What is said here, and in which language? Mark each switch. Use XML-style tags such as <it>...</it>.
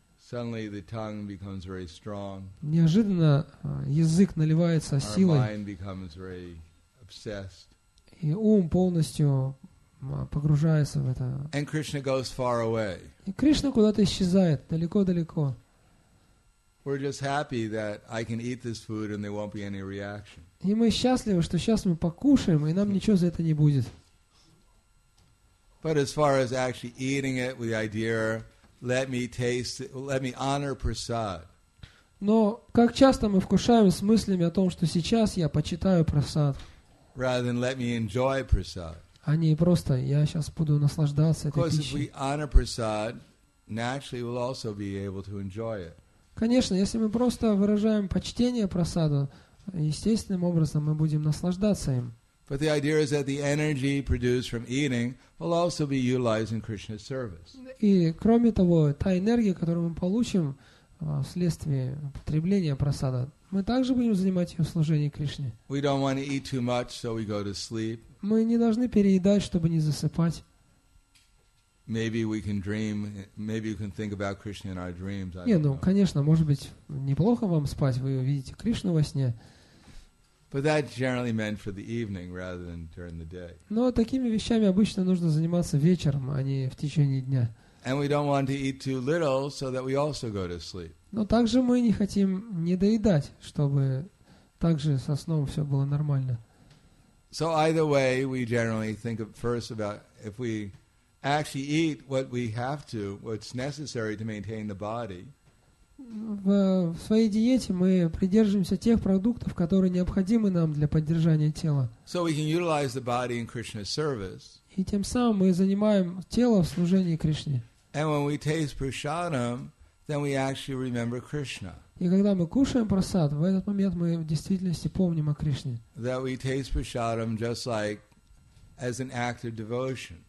<en>Suddenly the tongue becomes very strong.</en> <ru>Неожиданно язык наливается силой.</ru> <en>Our mind becomes very obsessed.</en> <ru>И ум полностью погружается в это.</ru> <en>And Krishna goes far away.</en> <ru>И Кришна куда-то исчезает, далеко-далеко.</ru> <en>We're just happy that I can eat this food and there won't be any reaction.</en> <ru>И мы счастливы, что сейчас мы покушаем, и нам ничего за это не будет.</ru> <en>But as far as actually eating it with the idea, let me taste it, let me honor prasad.</en> <ru>Но как часто мы вкушаем с мыслями о том, что сейчас я почитаю прасад.</ru> <en>Rather than let me enjoy prasad.</en> <ru>А не просто я сейчас буду наслаждаться этой пищей.</ru> <en>Of course, if we honor prasad, naturally we'll also be able to enjoy it.</en> <ru>Конечно, если мы просто выражаем почтение прасаду, естественным образом мы будем наслаждаться им.</ru> <en>But the idea is that the energy produced from eating will also be utilized in Krishna's service.</en> <ru>И кроме того, та энергия, которую мы получим вследствие потребления прасада, мы также будем занимать ее в служении Кришне.</ru> <en>We don't want to eat too much, so we go to sleep.</en> <ru>Мы не должны переедать, чтобы не засыпать.</ru> <en>Maybe we can dream. Maybe you can think about Krishna in our dreams.</en> <ru>Не, ну, конечно, может быть, неплохо вам спать, вы увидите Кришну во сне.</ru> <en>But that generally meant for the evening rather than during the day.</en> <ru>Но такими вещами обычно нужно заниматься вечером, а не в течение дня.</ru> <en>And we don't want to eat too little, so that we also go to sleep.</en> <ru>Но также мы не хотим недоедать, чтобы также со сном все было нормально.</ru> <en>So either way, we generally think of first about if we actually eat what we have to, what's necessary to maintain the body.</en> <ru>В своей диете мы придерживаемся тех продуктов, которые необходимы нам для поддержания тела.</ru> <en>So we can utilize the body in Krishna's service.</en> <ru>И тем самым мы занимаем тело в служении Кришне.</ru> <en>And when we taste prasadam, then we actually remember Krishna.</en> <ru>И когда мы кушаем прасад, в этот момент мы в действительности помним о Кришне.</ru> <en>That we taste prasadam just like as an act of devotion.</en>